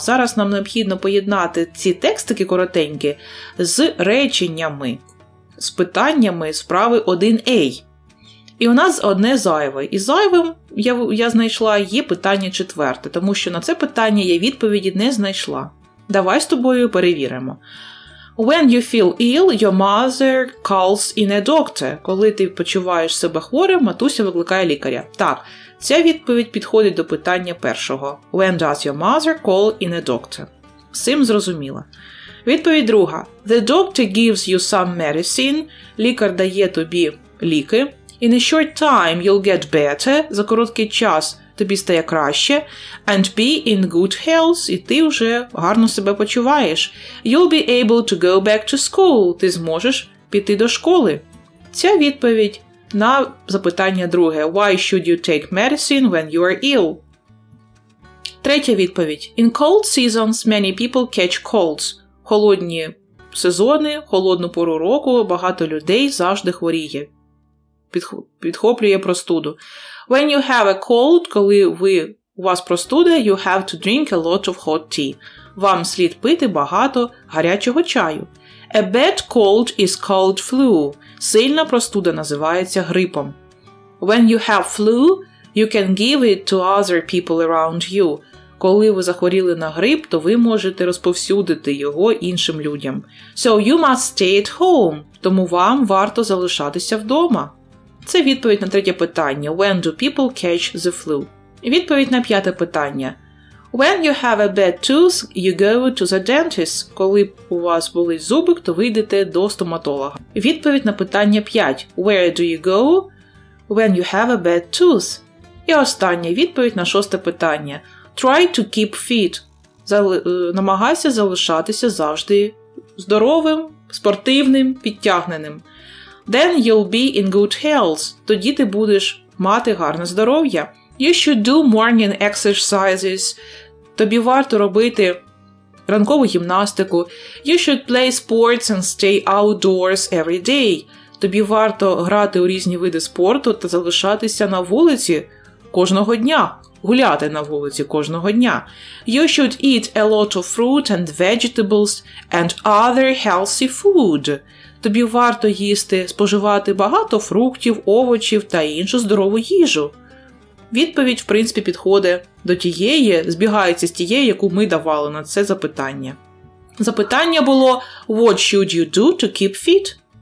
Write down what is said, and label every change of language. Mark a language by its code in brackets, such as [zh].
[uk] Зараз нам необхідно поєднати ці текстики коротенькі з реченнями, з питаннями справи 1A. І у нас одне зайве. І зайвим, я знайшла, є питання четверте, тому що на це питання я відповіді не знайшла. Давай з тобою перевіримо. [en] When you feel ill, your mother calls in a doctor. [uk] Коли ти почуваєш себе хворим, матуся викликає лікаря. Так, ця відповідь підходить до питання першого. [en] When does your mother call in a doctor? [uk] Сим зрозуміла. Відповідь друга. [en] The doctor gives you some medicine. [uk] Лікар дає тобі ліки. [en] In a short time you'll get better. [uk] За короткий час тобі стає краще, [en] and be in good health, [uk] і ти вже гарно себе почуваєш. [en] You'll be able to go back to school. [uk] Ти зможеш піти до школи. Ця відповідь на запитання друге. [en] Why should you take medicine when you are ill? [uk] Третя відповідь. [en] In cold seasons many people catch colds. [uk] Холодні сезони, холодну пору року багато людей завжди хворіє, підхоплює простуду. [en] When you have a cold, [uk] коли у вас простуда, [en] you have to drink a lot of hot tea. [uk] Вам слід пити багато гарячого чаю. [en] A bad cold is called flu. [uk] Сильна простуда називається грипом. [en] When you have flu, you can give it to other people around you. [uk] Коли ви захворіли на грип, то ви можете розповсюдити його іншим людям. [en] So you must stay at home. [uk] Тому вам варто залишатися вдома. Це відповідь на третє питання. [en] When do people catch the flu? [uk] Відповідь на п'яте питання. [en] When you have a bad tooth, you go to the dentist. [uk] Коли у вас болить зубик, то ви йдете до стоматолога. Відповідь на питання 5. [en] Where do you go when you have a bad tooth? [uk] І остання відповідь на шосте питання. [en] Try to keep fit. [uk] Намагайся залишатися завжди здоровим, спортивним, підтягненим. [en] Then you'll be in good health. [uk] Тоді ти будеш мати гарне здоров'я. [en] You should do morning exercises. [uk] Тобі варто робити ранкову гімнастику. [en] You should play sports and stay outdoors every day. [uk] тобі варто грати у різні види спорту та залишатися на вулиці кожного дня. Гуляти на вулиці кожного дня. [en] You should eat a lot of fruit and vegetables and other healthy food. [uk] Тобі варто їсти, споживати багато фруктів, овочів та іншу здорову їжу. Відповідь, в принципі, підходить до тієї, збігається з тією, яку ми давали на це запитання. Запитання було [en] «What should you do to keep fit?»